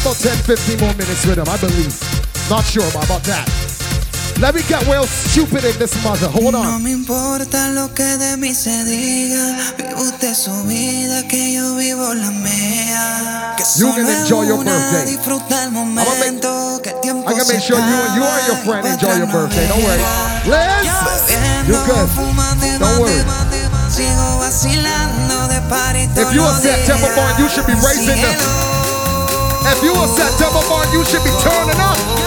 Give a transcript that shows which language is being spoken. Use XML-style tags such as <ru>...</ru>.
<en>With him, I believe. Not sure about that. Let me get real stupid in this mother. Hold on.</en> <es>No me importa lo que de mí se diga. Vive usted su vida que yo vivo la mía.</es> <en>You can enjoy your birthday.</en> <es>Disfruta el momento que el tiempo se acaba.</es> <en>I'm gonna make sure you and your friend enjoy your birthday. Don't worry. Liz, you're good. Don't worry.</en> <es>Sigo vacilando de party.</es> <en>If you upset Temple Bar, you should be raising them. If you upset Temple Bar, you should be turning up.</en>